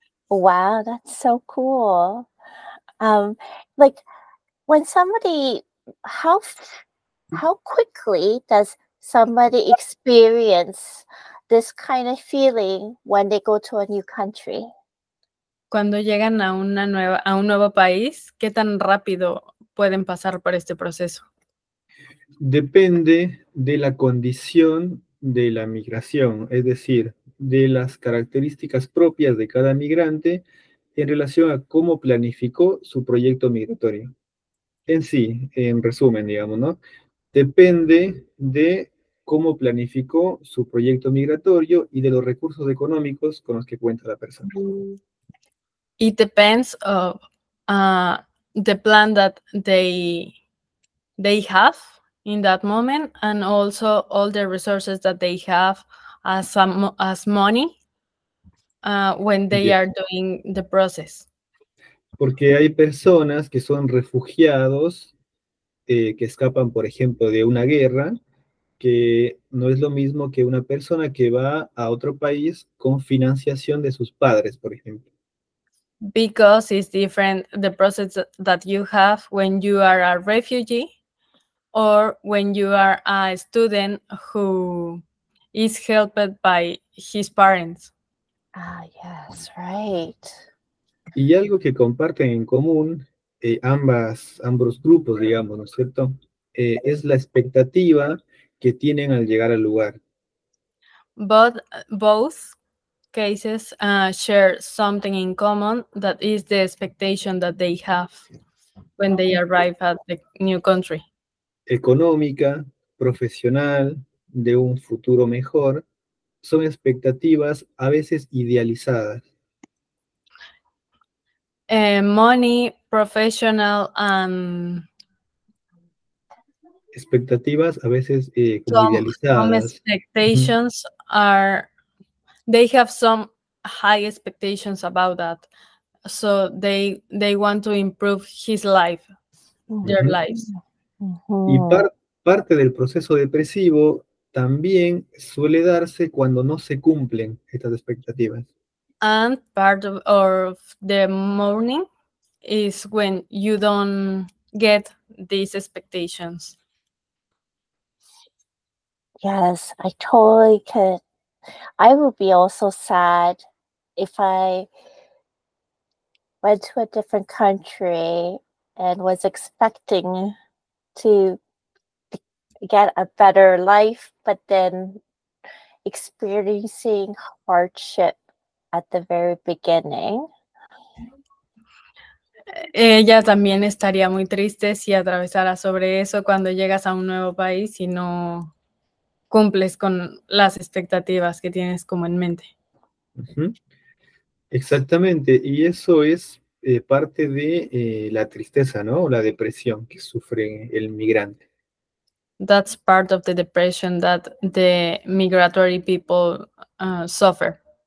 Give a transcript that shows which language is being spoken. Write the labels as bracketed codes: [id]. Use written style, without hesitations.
[en] Wow, that's so cool. Like when somebody, how quickly does somebody experience this kind of feeling when they go to a new country? [es] Cuando llegan a un nuevo país, ¿qué tan rápido pueden pasar por este proceso? Depende de la condición de la migración, es decir, de las características propias de cada migrante en relación a cómo planificó su proyecto migratorio. En sí, en resumen, digamos, ¿no? Depende de cómo planificó su proyecto migratorio y de los recursos económicos con los que cuenta la persona. [en] It depends of the plan that they have in that moment, and also all the resources that they have as money when they are doing the process. [es] Porque hay personas que son refugiados que escapan, por ejemplo, de una guerra, que no es lo mismo que una persona que va a otro país con financiación de sus padres, por ejemplo. [en] Because it's different the process that you have when you are a refugee or when you are a student who is helped by his parents. Ah, yes, right. [es] Y algo que comparten en común ambos grupos, digamos, ¿no es cierto? Es la expectativa que tienen al llegar al lugar. [en] Both cases share something in common, that is the expectation that they have when they arrive at the new country. [es] Económica, profesional, de un futuro mejor, son expectativas a veces idealizadas. [en] Money, professional, and [es] expectativas a veces como idealizadas. [en] Some expectations are, they have some high expectations about that. So they want to improve his life, their lives. [es] Y parte del proceso depresivo también suele darse cuando no se cumplen estas expectativas. [en] And part of the mourning is when you don't get these expectations. Yes, I totally could. I would be also sad if I went to a different country and was expecting to get a better life, but then experiencing hardship at the very beginning. [es] Ella también estaría muy triste si atravesara sobre eso cuando llegas a un nuevo país y no cumples con las expectativas que tienes como en mente. Exactamente, y eso es parte de la tristeza, ¿no? O la depresión que sufre el migrante. [en] That's part of the depression that the migratory people suffer.